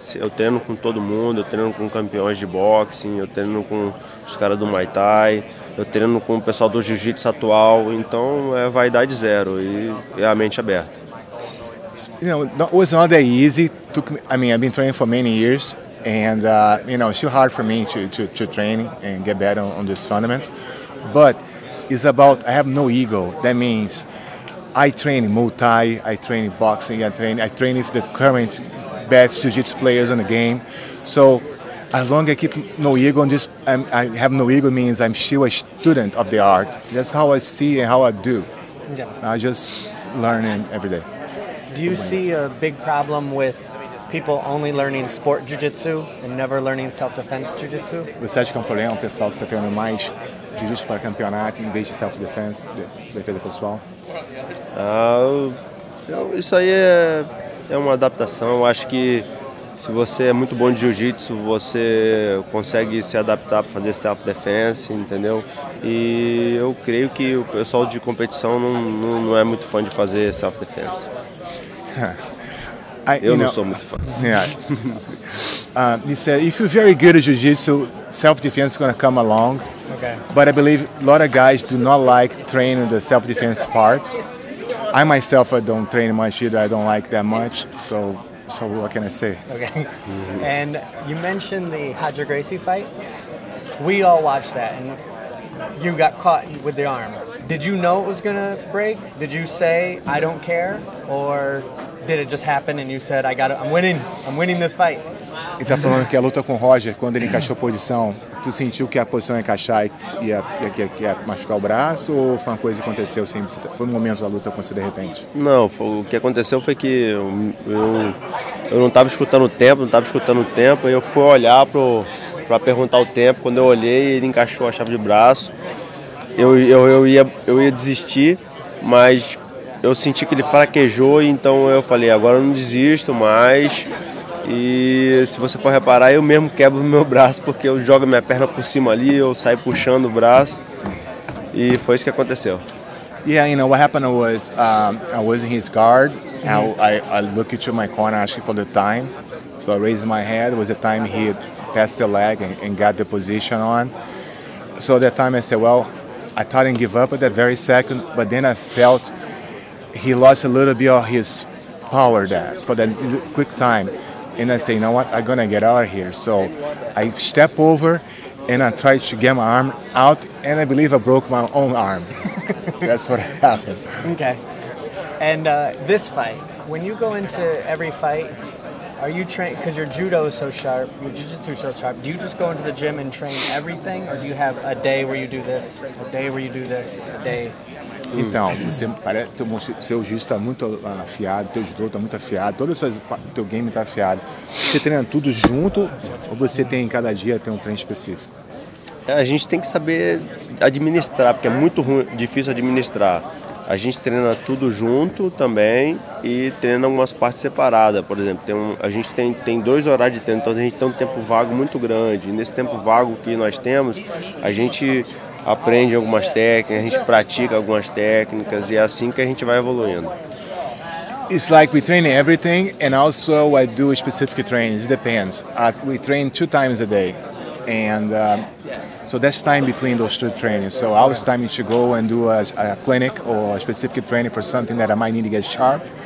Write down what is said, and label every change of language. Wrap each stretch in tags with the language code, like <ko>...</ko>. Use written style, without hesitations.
<pt>Eu treino com todo mundo, eu treino com campeões de boxing, eu treino com os caras do Muay Thai, eu treino com o pessoal do jiu-jitsu atual, então é vaidade zero e a mente aberta.</pt> <en>You know, it was not that easy. I've been training for many years and it's still hard for me to train and get better on these fundamentals. But it's about I have no ego. That means I train Muay, I train boxing, I train with the current best jiu-jitsu players in the game. So as long as I keep no ego and just I have no ego means I'm still a student of the art. That's how I see and how I do. Yeah. I just learn every day. Do you see a big problem with people only learning sport jiu-jitsu and never learning self-defense jiu-jitsu?</en> <pt>Você acha que é um problema o pessoal que está tendo mais jiu-jitsu para campeonato em vez de self-defense, defesa pessoal? Isso aí é uma adaptação. Eu acho que se você é muito bom de jiu-jitsu, você consegue se adaptar para fazer self-defense, entendeu? E eu creio que o pessoal de competição não é muito fã de fazer self-defense.</pt> <en>He said, if you're very good at jiu-jitsu, self-defense is going to come along. Okay. But I believe a lot of guys do not like training the self-defense part. I myself, I don't train much either. I don't like that much. So So what can I say? Okay. Mm-hmm. And you mentioned the Roger Gracie fight. We all watched that, and you got caught with the arm. Did you know it was going to break? Did you say, I don't care? Or did it just happen and you said, I'm winning this fight?</en> <pt>Ele tá falando que a luta com o Roger, quando ele encaixou a posição, tu sentiu que a posição ia encaixar e ia machucar o braço? Ou foi uma coisa que aconteceu? Foi um momento da luta com você de repente? Não, o que aconteceu foi que eu não tava escutando o tempo, e eu fui olhar pra perguntar o tempo. Quando eu olhei, ele encaixou a chave de braço. Eu ia desistir, mas eu senti que ele fraquejou, então eu falei, agora eu não desisto mais. E se você for reparar, eu mesmo quebro o meu braço, porque eu jogo minha perna por cima ali, eu saio puxando o braço, e foi isso que aconteceu.</pt> <en>Yeah, you know, what happened was, I was in his guard, and I looked into my corner asking for the time, so I raised my head, it was the time he had passed the leg and got the position on. So at that time I said, well, I thought I'd give up at that very second, but then I felt he lost a little bit of his power there for that quick time. And I say, you know what, I'm gonna get out of here. So I step over and I try to get my arm out, and I believe I broke my own arm. That's what happened. Okay. And this fight, when you go into every fight, are you train, because your judo is so sharp, your jiu-jitsu is so sharp, do you just go into the gym and train everything, or do you have a day where you do this, a day where you do this, a day?</en> <pt>Então, você parece, seu jiu-jitsu está muito afiado, teu judô está muito afiado, todo o teu game está afiado. Você treina tudo junto ou você tem cada dia tem um treino específico? A gente tem que saber administrar, porque é muito ruim, difícil administrar. A gente treina tudo junto também e treina algumas partes separadas. Por exemplo, a gente tem dois horários de treino, então a gente tem um tempo vago muito grande. E nesse tempo vago que nós temos, a gente aprende algumas técnicas, a gente pratica algumas técnicas, e é assim que a gente vai evoluindo.</pt> <en>It's like we train everything, and also I do specific trainings, it depends. We train two times a day, and so that's time between those two trainings. So I was timing to go and do a clinic or a specific training for something that I might need to get sharp.</en>